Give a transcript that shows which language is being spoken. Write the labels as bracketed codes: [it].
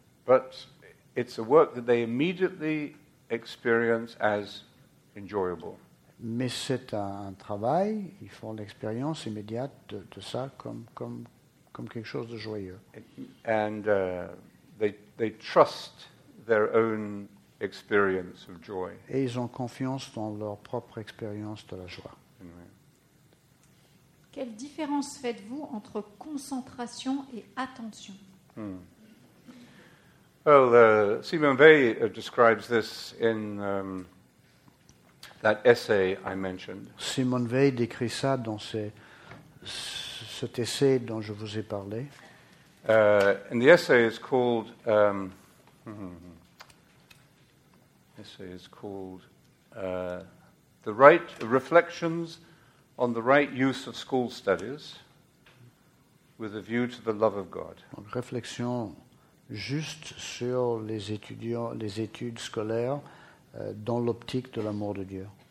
[en] But it's a work that they immediately experience as enjoyable. [fr] Mais c'est un travail, ils font l'expérience immédiate de ça comme quelque chose de joyeux. [en] And they trust their own experience of joy. [fr] Et ils ont confiance dans leur propre expérience de la joie. [en] Anyway. [fr] Quelle différence faites-vous entre concentration et attention? [en] Well, Simone Weil describes this in that essay I mentioned. [fr] Simone Weil décrit ça dans cet essai dont je vous ai parlé. [en] And the essay is called. Essay is called "The Right Reflections on the Right Use of School Studies with a View to the Love of God." [fr] Donc, réflexion juste sur les études scolaires dans l'optique de l'amour de Dieu.